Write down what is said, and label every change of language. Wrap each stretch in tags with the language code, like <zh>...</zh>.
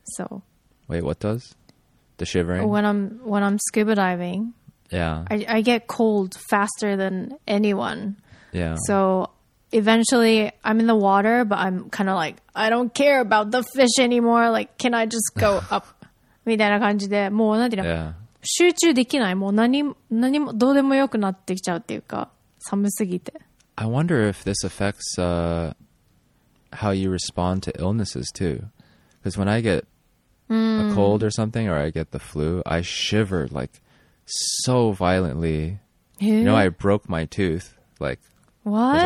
<en>So, wait, what does the shivering? When I'm scuba diving, yeah, I get cold faster than anyone. Yeah. So eventually, I'm in the water, but I'm kind of like, I don't care about the fish anymore. Like, can I just go up?</en> <ja>みたいな感じで、もうなんていうの、</ja> <en>yeah.</en> <ja>集中できない、もう何もどうでもよくなってきちゃうっていうか、寒すぎて。</ja> <en>I wonder if this affects how you respond to illnesses too. Because when I get a cold or something, or I get the flu, I shiver like so violently. You know, I broke my tooth like what?</en>